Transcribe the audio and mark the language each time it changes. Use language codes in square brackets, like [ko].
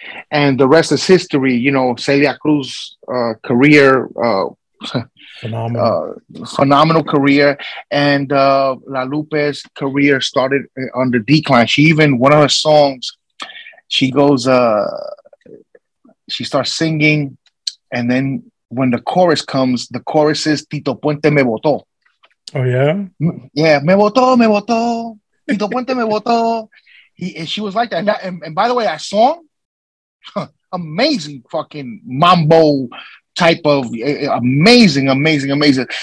[en] And the rest is history. You know, Celia Cruz's career, phenomenal career, and La Lupe's career started on the decline. She even, one of her songs, she goes, she starts singing, and then when the chorus comes, the chorus is [es] Tito Puente me botó. [en] Oh yeah, yeah. [es] Me botó, Tito Puente me botó. [en] He and she was like that. And by the way, that song, amazing, fucking mambo type of amazing, amazing, amazing.